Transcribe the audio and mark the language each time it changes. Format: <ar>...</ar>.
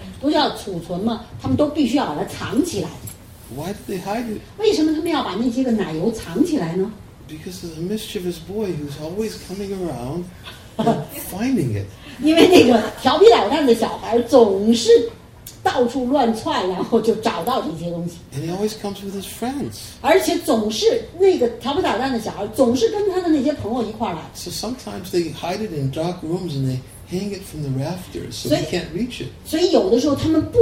<zh>所有的那些个邻居，他们有那个奶油，是不是都要储存吗？他们都必须要把它藏起来。</zh> <en>Why did they hide it?</en> <zh>为什么他们要把那些个奶油藏起来呢？</zh> <en>Because of the mischievous boy who's always coming around and finding it.</en> <zh>因为那个调皮捣蛋的小孩总是到处乱窜，然后就找到这些东西。</zh> <en>And he always comes with his friends.</en> <zh>而且总是那个调皮捣蛋的小孩总是跟他的那些朋友一块来。</zh> <en>So sometimes they hide it in dark rooms and they hang it from the rafters so they can't reach it.</en>